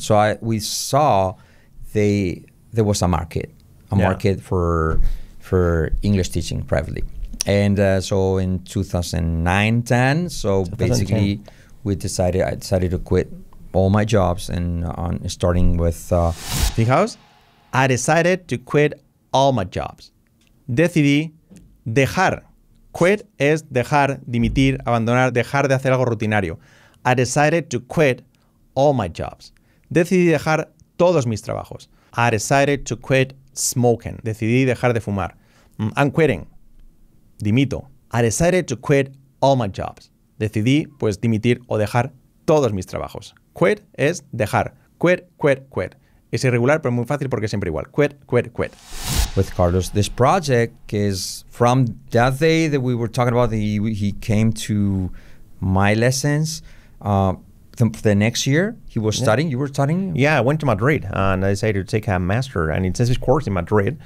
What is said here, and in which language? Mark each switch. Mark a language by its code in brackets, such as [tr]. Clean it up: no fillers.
[en] So we saw there was a market, market for English teaching privately. And so in 2009-10, so basically I decided to quit all my jobs and on starting with... Because I decided to quit all my jobs. [es] Decidí dejar. Quit es dejar, dimitir, abandonar, dejar de hacer algo rutinario. [en] I decided to quit all my jobs. [es] Decidí dejar todos mis trabajos. [en] I decided to quit smoking. [es] Decidí dejar de fumar. [en] I'm quitting. [es] Dimito. [en] I decided to quit all my jobs. [es] Decidí, pues, dimitir o dejar todos mis trabajos. Quit es dejar. Quit, quit, quit. Es irregular, pero muy fácil porque es siempre igual. [en] Quit, quit, quit. With Carlos, this project is from that day that we were talking about, he came to my lessons. The next year, he was studying. You were studying. Yeah, I went to Madrid and I decided to take a master and intensive course in Madrid.